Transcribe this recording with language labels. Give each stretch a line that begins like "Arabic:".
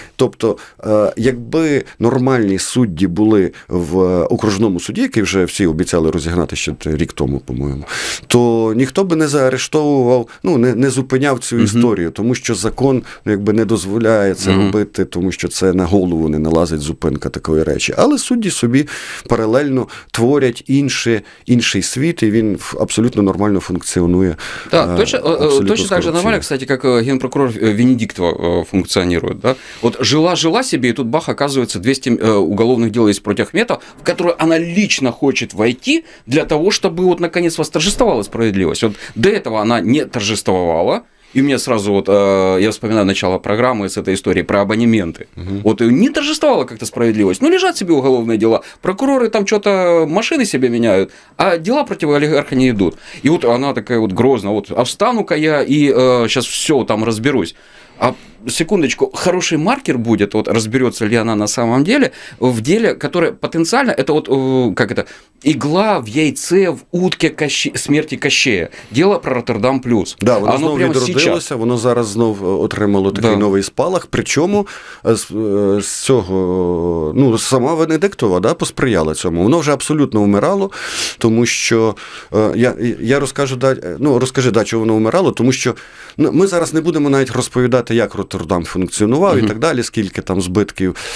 Ukrainian: Тобто, якби нормальні судді були в окружному суді, який вже всі обіцяли розігнати ще рік тому, по-моєму, то ніхто би не заарештовував, ну, не зупиняв цю історію, тому що закон, ну, якби не дозволяє це робити, тому що це на голову не налазить зупинка такої речі. Але судді собі паралельно творять інший світ, і він абсолютно нормально функціонує. Так,
Russian: точно так же нормально, кстати,
Ukrainian: як генпрокурор Венедіктова функціонує.
Russian: Да?
Ukrainian: От жила-жила собі,
Russian: і тут бах, оказывается, 200 уголовних дел есть проти Ахметова, в которые она лично хочет войти для того, чтобы вот наконец восторжествовала справедливость. Вот до этого она не торжествовала. И мне сразу вот, я вспоминаю начало программы с этой историей про абонементы. Угу. Вот и не торжествовала как-то справедливость. Ну, лежат себе уголовные дела, прокуроры там что-то машины себе меняют, а дела против олигарха не идут. И вот она такая вот грозная, вот, а встану-ка я и сейчас все там разберусь. А секундочку, хороший маркер будет, вот разберется ли она на самом деле, в деле, которое потенциально, это вот, как это, игла в яйце в утке смерти Кащея. Дело про Роттердам Плюс.
Ukrainian: Да, воно знову відродилося, воно зараз знов отримало такий новий спалах, причому з цього, ну, сама Венедиктова, да, посприяла цьому. Воно вже абсолютно вмирало, тому що, я розкажу, да, ну, розкажи, да, чого воно вмирало, тому що, ну, ми зараз не будемо навіть розповідати, як Роттердам функціонував і так далі, скільки там збитків.